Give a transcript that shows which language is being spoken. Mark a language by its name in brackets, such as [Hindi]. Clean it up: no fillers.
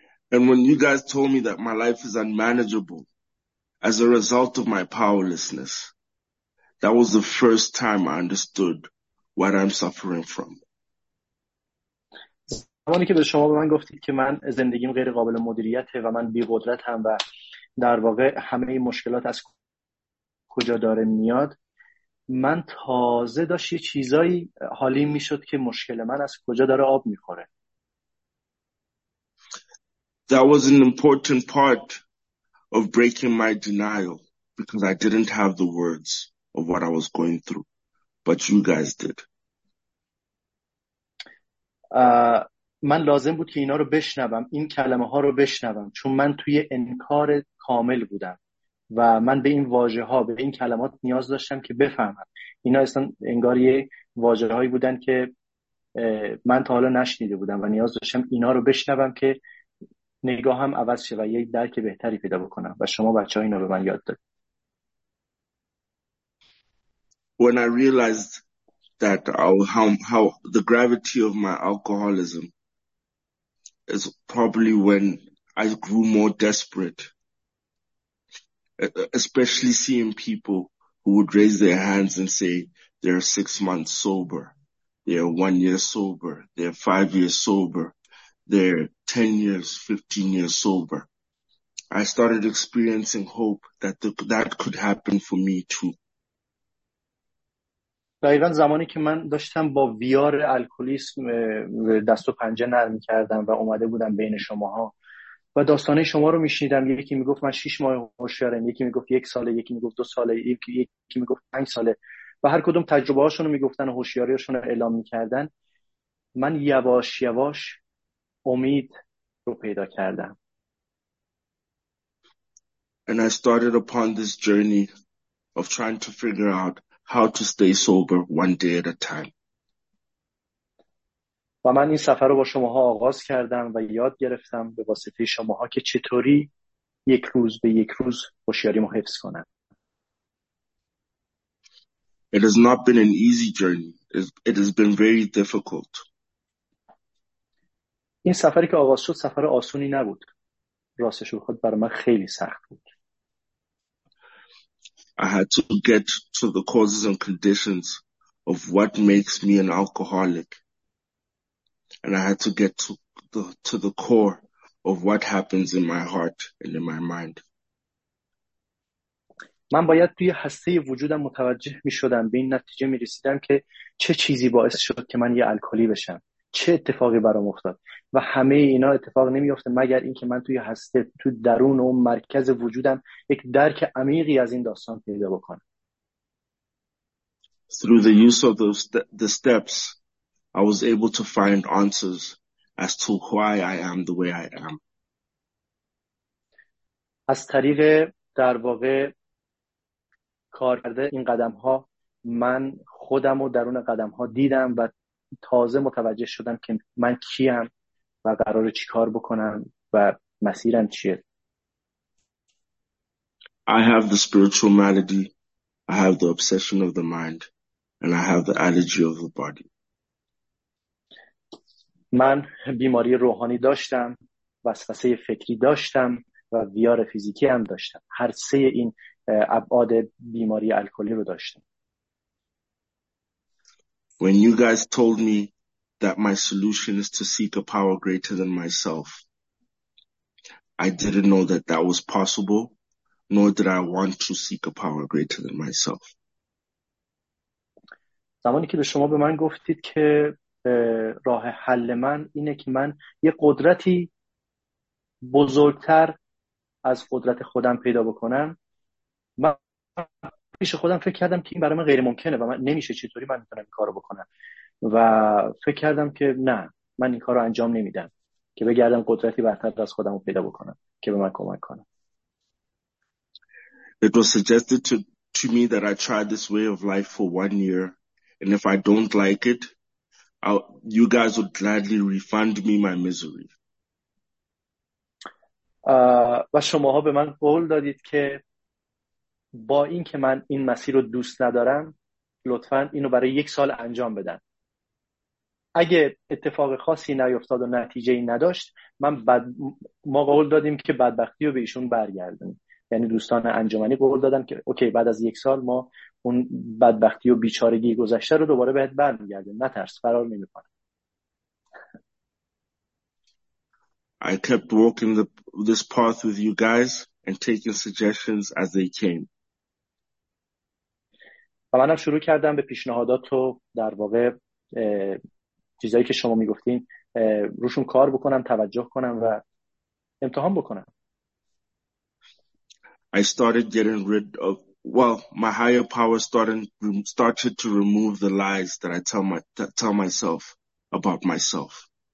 [English] And when you guys told me that my life is unmanageable as a result of my powerlessness, that was the first time I understood what I'm suffering from. [Persian] زمانی که به شما به من گفتید که من زندگیم غیر قابل مدیریته و من بی قدرتم و در واقع همه این مشکلات از کجا داره میاد، من تازه داشت یه چیزایی حالی میشد که مشکل من از کجا داره آب میخوره. [English] That was an important part of breaking my denial because I didn't have the words of what I was going through, but you guys did. [Persian] من لازم بود که اینا رو بشنوم، این کلمه ها رو بشنوم، چون من توی انکار کامل بودم و من به این واژه ها، به این کلمات نیاز داشتم که بفهمم. اینا اصلا انگار یه واژه هایی بودن که من تا حالا نشنیده بودم و نیاز داشتم اینا رو بشنوم که نگاهم عوض شه و یک درک بهتری پیدا بکنم. و شما بچه ها اینا به من یاد دادید. [English] When I realized that how the gravity of my alcoholism is probably when I grew more desperate, especially seeing people who would raise their hands and say they're 6 months sober, they're 1 year sober, they're 5 years sober, they're 10 years, 15 years sober. I started experiencing hope that that could happen for me too. [Persian] دقیقا زمانی که من داشتم با ویار الکلیسم دست و پنجه نرم کردم و اومده بودم بین شماها و داستانه شما رو میشنیدم، یکی میگفت من 6 ماه هوشیارم، یکی میگفت 1 ساله، یکی میگفت 2 ساله، یکی میگفت 5 ساله و هر کدوم تجربه هاشون رو میگفتن و هوشیاری هاشون رو اعلام میکردن، من یواش یواش امید رو پیدا کردم. [English] And I started upon this journey of trying to figure out how to stay sober one day at a time. [Persian] و من این سفر رو با شماها آغاز کردم و یاد گرفتم به واسطه شماها که چطوری یک روز به یک روز هوشیاری مو حفظ کنم. [English] It has not been an easy journey. It has been very difficult. [Persian] این سفری که آغاز شد سفر آسونی نبود. راستش بخواد برای من خیلی سخت بود. [English] I had to get to the causes and conditions of what makes me an alcoholic. And I had to get to the core of what happens in my heart and in my mind. [Persian] من باید توی هسته وجودم متوجه می شدم، به این نتیجه می رسیدم که چه چیزی باعث شد که من یه الکلی بشم، چه اتفاقی برام افتاد. و همه اینا اتفاق نمی افته مگر اینکه من توی هسته، تو درون و مرکز وجودم یک درک عمیقی از این داستان پیدا بکنم. [English] Through the use of the steps, I was able to find answers as to why I am the way I am. [Persian] از طریق در واقع کار کرده این قدم ها، من خودم و درون قدم ها دیدم و تازه متوجه شدم که من کیم و قراره چی کار بکنم و مسیرم چیه. [English] I have the spiritual malady, I have the obsession of the mind, and I have the allergy of the body. [Persian] من بیماری روحانی داشتم، وسوسه فکری داشتم و ویار فیزیکی هم داشتم. هر سه این ابعاد بیماری الکلی رو داشتم. [English] When you guys told me that my solution is to seek a power greater than myself, I didn't know that that was possible, nor did I want to seek a power greater than myself. [Persian] زمانی که به شما به من گفتید که راه حل من اینه که من یه قدرتی بزرگتر از قدرت خودم پیدا بکنم، من پیش خودم فکر کردم که این برای من غیر ممکنه و من نمیشه، چطوری من میتونم این کار رو بکنم و فکر کردم که نه، من این کار رو انجام نمیدم که بگردم قدرتی برتر از خودم رو پیدا بکنم که به من کمک کنم. [English] It was suggested to me that I try this way of life for 1 year, and if I don't like it, you guys would gladly refund me my misery. [Persian] و شماها به من قول دادید که با این که من این مسیر رو دوست ندارم، لطفاً اینو برای یک سال انجام بدن. اگه اتفاق خاصی نیفتاد و نتیجه‌ای نداشت، ما قول دادیم که بدبختی رو به ایشون برگردونیم. یعنی دوستان انجمنی قول دادن که اوکی، بعد از یک سال ما اون بدبختی و بیچارگی گذشته رو دوباره بهت برمیگردیم. نترس، فرار نمی‌کنم. [English] I kept walking this path with you guys and taking suggestions as they came. [Persian] و منم شروع کردم به پیشنهادات و در واقع چیزایی که شما میگفتین روشون کار بکنم، توجه کنم و امتحان بکنم. [English] I started getting rid of, well, my higher power started to remove the lies that I tell myself about myself.